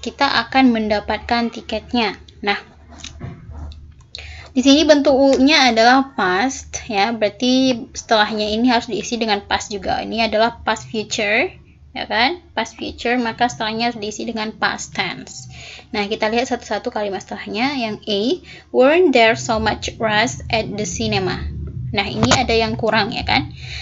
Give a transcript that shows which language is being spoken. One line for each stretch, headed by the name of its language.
Indonesian: Kita akan mendapatkan tiketnya. Nah, di sini bentuk will-nya adalah past, ya. Berarti setelahnya ini harus diisi dengan past juga. Ini adalah past future, ya kan? Past future, maka setelahnya harus diisi dengan past tense. Nah, kita lihat satu-satu kalimat setelahnya. Yang A,
English: weren't there so much rush at the cinema?
Indonesian: Nah, ini ada yang kurang, ya kan?